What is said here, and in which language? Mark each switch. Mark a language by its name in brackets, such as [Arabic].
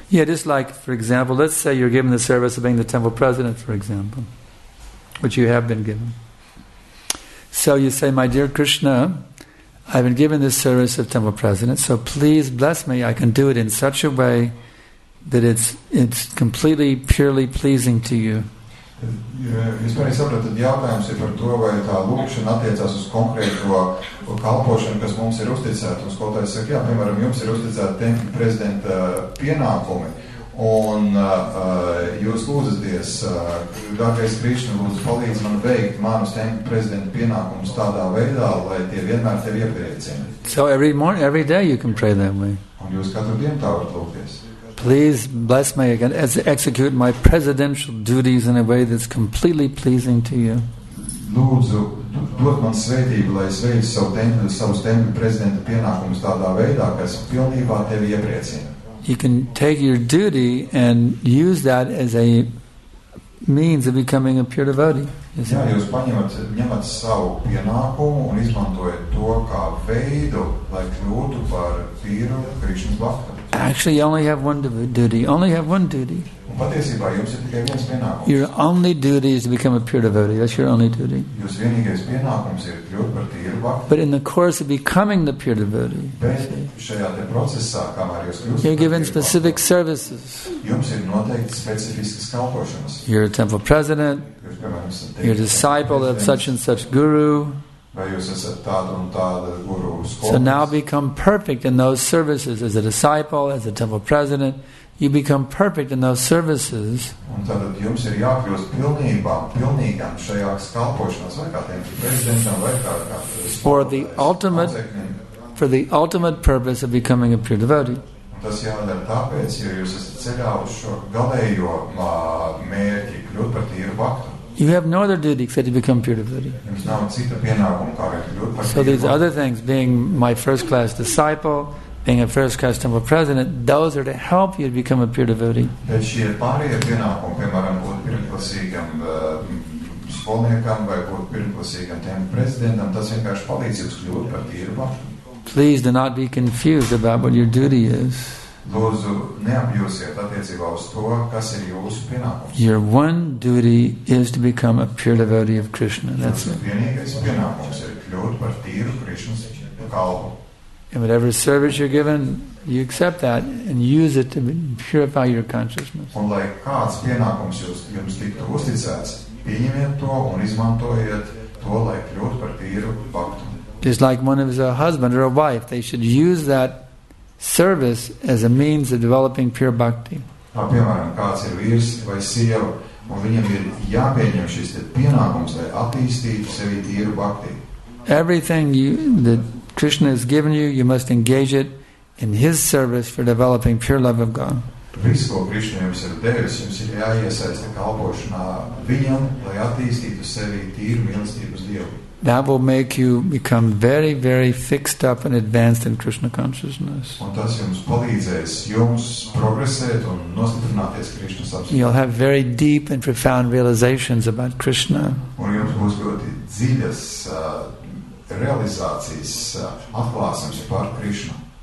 [English] Yeah, just like, for example, let's say you're given the service of being the temple president, for example, which you have been given. So you say, my dear Krishna, I've been given this service of temple president, so please bless me. I can do it in such a way that it's completely, purely pleasing to you. [Latvian] Jūs mani saprat, tad jautājums ir par to, vai tā lūkšana attiecās uz konkrēto kalpošanu, kas mums ir uzticēta. Un skolotājs saka, jā, piemēram, jums ir uzticēta temple prezidenta pienākumi. Un jūs lūdzaties, dārgais Krišna, lūdzu, palīdz man veikt manus tempu prezidenta pienākumus tādā veidā, lai tie vienmēr tevi iepriecina. [English] So every morning, every day you can pray that way. [Latvian] Un jūs katru dienu tā varat lūkties. [English] Please bless me again as I execute my presidential duties in a way that's completely pleasing to you. [Latvian] Lūdzu, dod man svētību, lai es veicu savus tempu prezidenta pienākumus tādā veidā, kas pilnībā tevi iepriecina. [English] You can take your duty and use that as a means of becoming a pure devotee. Yes. [Latvian] Jā, jūs ņemat savu pienākumu un izmantojat to kā veidu, lai kļūtu par tīru Krishna bhakti. [English] Actually, you only have one duty. Only have one duty. [Latvian] Un patiesībā jums ir tikai viens pienākums. [English] Your only duty is to become a pure devotee. That's your only duty. [Latvian] Jūs vienīgais pienākums ir kļūt par tīru bhakti. [English] But in the course of becoming the pure devotee, [Latvian] šajā te procesā, kamēr jūs kļūstat, [English] you're given specific services. [Latvian] Jums ir noteikti specifiskas kalpošanas. [English] You're a temple president. Your disciple of such and such guru. So now become perfect in those services as a disciple, as a temple president. You become perfect in those services. For the ultimate purpose of becoming a pure devotee. [Latvian] Tas jādara tāpēc, jo jūs esat ceļā uz šo galējo mērķi kļūt par tīru bhaktu. [English] You have no other duty except to become pure devotee. [Latvian] Jums nav cita pienākuma, kā vien kļūt par. [English] So these other things, being my first class disciple, being a first class temple president, those are to help you to become a pure devotee. [Latvian] Bet šie pārējie pienākumi, piemēram, būt pirmklasīgam skolniekam vai būt pirmklasīgam tiem prezidentam, tas vienkārši palīdz jums kļūt par tīru bhaktu. [English] Please do not be confused about what your duty is. [Latvian] Lūdzu, neapjūsiet attiecībā uz to, kas ir jūsu pienākums. [English] Your one duty is to become a pure devotee of Krishna. That's [Latvian] jūsu vienīgais pienākums ir kļūt par tīru Krishna kalpu. [English] And whatever service you're given, you accept that and use it to purify your consciousness. [Latvian] Un lai kāds pienākums jums tiktu uzticēts, pieņemiet to un izmantojiet to, lai kļūt par tīru bhaktu. [English] Just like one is a husband or a wife, they should use that service as a means of developing pure bhakti. [Latvian] Tā piemēram, kāds ir vīrs vai sieva, un viņam ir jāpieņem šis pienākums, lai attīstītu sevi tīru bhakti. [English] Everything that Krishna has given you, you must engage it in his service for developing pure love of God. [Latvian] Viss, ko Krishna jums ir devis, jums ir jāiesaista kalpošanā viņam, lai attīstītu sevi tīru mīlestības Dievu. [English] That will make you become very, very fixed up and advanced in Krishna consciousness. [Latvian] Un tas jums palīdzēs jums progresēt un nostiprināties Krishna sapratnē. [English] You'll have very deep and profound realizations about Krishna. [Latvian] Un jums būs ļoti dziļas realizācijas atklāsums par Krishna.